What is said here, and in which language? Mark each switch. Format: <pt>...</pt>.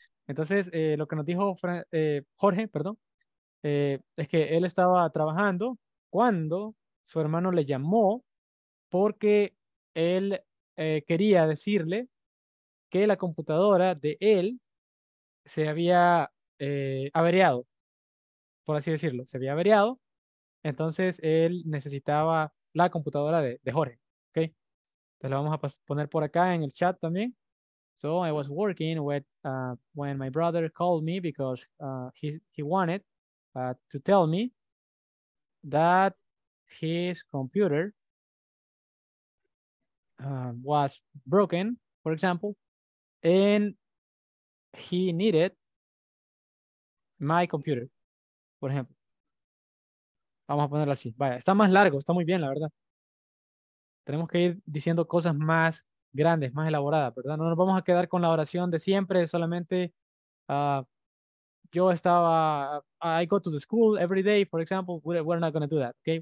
<es>Entonces, lo que nos dijo Jorge, es que él estaba trabajando cuando su hermano le llamó porque él quería decirle que la computadora de él se había averiado, por así decirlo, se había averiado. Entonces, él necesitaba la computadora de Jorge, ¿ok? Entonces, lo vamos a poner por acá en el chat también.</es> <en>So, I was working when my brother called me because he wanted to tell me that his computer was broken, for example, and he needed my computer,</en> <es>por ejemplo. Vamos a ponerlo así. Vaya, está más largo, está muy bien, la verdad. Tenemos que ir diciendo cosas más grandes, más elaboradas, ¿verdad? No nos vamos a quedar con la oración de siempre, solamente</es> <en>I go to the school every day, for example, we're not going to do that, okay?</en>